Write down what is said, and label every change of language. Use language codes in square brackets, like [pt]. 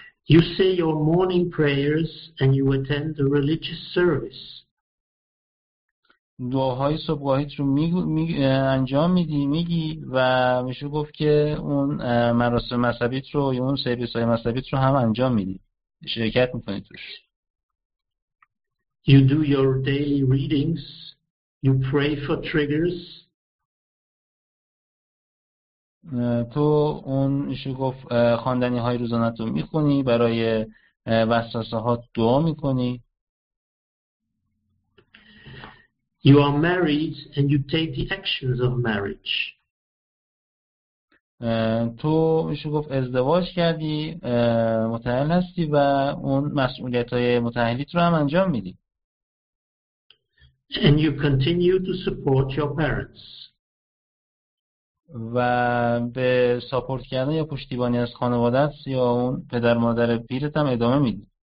[en] You say your morning prayers and you attend the religious service. [fa] دعاهای صبحگاهیت رو انجام میدی، میگی و میشه گفت که اون مراسم مذهبیت رو یا اون سرویس های مذهبیت رو هم انجام میدی، شرکت میکنی توش. [en] You do your daily readings, you pray for triggers. [fa] تو اون میشه گفت خواندنی های روزانه تو میخونی، برای وسوسه ها دعا میکنی. [en] You are married and you take the actions of marriage. [fa] تو میشه گفت ازدواج کردی، متأهل هستی و اون مسئولیت های متأهلیت رو هم انجام میدی. [en] And you continue to support your parents. [fa] و به ساپورت کردن یا پشتیبانی از خانوادت یا اون پدر مادر پیرت هم ادامه میدی.